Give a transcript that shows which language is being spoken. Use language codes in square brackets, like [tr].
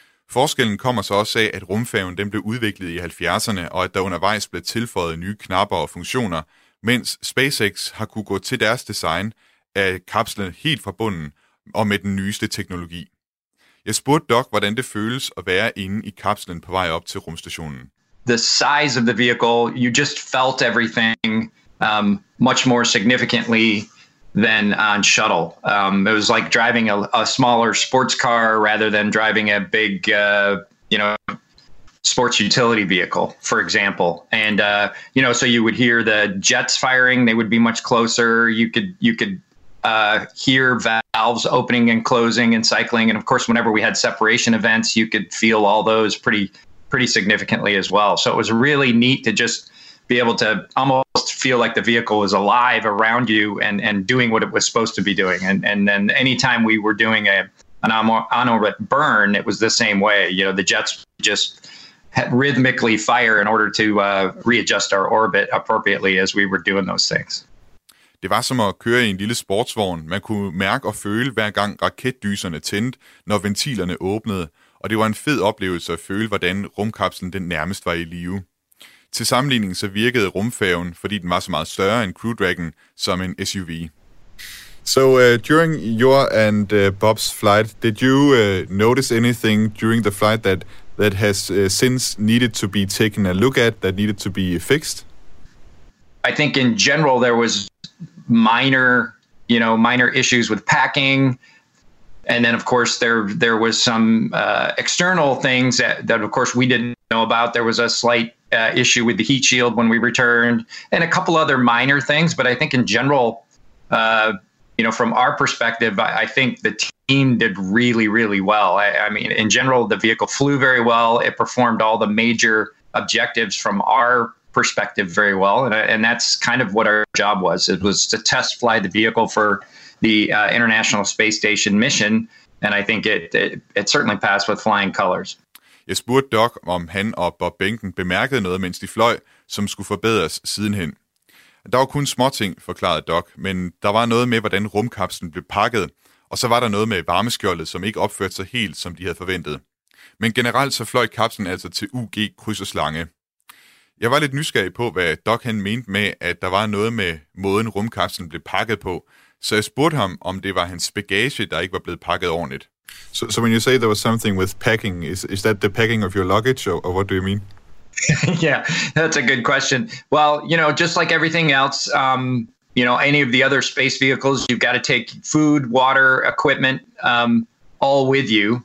[da] Forskellen kommer så også af, at rumfærgen den blev udviklet i 70'erne, og at der undervejs blev tilføjet nye knapper og funktioner, mens SpaceX har kunne gå til deres design af kapslen helt fra bunden, og med den nyeste teknologi. Jeg spurgte Doug, hvordan det føles at være inde i kapslen på vej op til rumstationen. [en] The size of the vehicle, you just felt everything much more significantly than on shuttle. It was like driving a smaller sports car rather than driving a big, you know, sports utility vehicle, for example. And you know, so you would hear the jets firing, they would be much closer. You could hear valves opening and closing and cycling. And of course, whenever we had separation events, you could feel all those pretty significantly as well. So it was really neat to just be able to almost feel like the vehicle was alive around you and doing what it was supposed to be doing. And then anytime we were doing an on-orbit burn, it was the same way. You know, the jets just rhythmically fire in order to readjust our orbit appropriately as we were doing those things. [da] Det var som at køre i en lille sportsvogn. Man kunne mærke og føle, hver gang raketdyserne tændte, når ventilerne åbnede, og det var en fed oplevelse at føle, hvordan rumkapslen den nærmest var i live. Til sammenligning så virkede rumfærgen, fordi den var så meget større end Crew Dragon, som en SUV. [en] So during your and Bob's flight, did you notice anything during the flight that has since needed to be taken a look at, that needed to be fixed? I think in general there was minor issues with packing, and then of course there was some external things that of course we didn't know about. There was a slight issue with the heat shield when we returned, and a couple other minor things. But I think in general, you know, from our perspective, I think the team did really, really well. I mean, in general, the vehicle flew very well. It performed all the major objectives from our perspective very well, and that's kind of what our job was. It was to test fly the vehicle for the International Space Station mission, and I think it certainly passed with flying colors. [da] Jeg spurgte Doug, om han og Bob Behnken bemærkede noget, mens de fløj, som skulle forbedres sidenhen. Der var kun småting, forklarede Doug, men der var noget med, hvordan rumkapslen blev pakket, og så var der noget med varmeskjoldet, som ikke opførte sig helt, som de havde forventet. Men generelt så fløj kapslen altså til UG kryds og slange. Jeg var lidt nysgerrig på, hvad Doug han mente med, at der var noget med måden rumkapslen blev pakket på, så jeg spurgte ham, om det var hans bagage, der ikke var blevet pakket ordentligt. [en] So when you say there was something with packing, is that the packing of your luggage, or what do you mean? Yeah, that's a good question. Well, you know, just like everything else, you know, any of the other space vehicles, you've got to take food, water, equipment, all with you.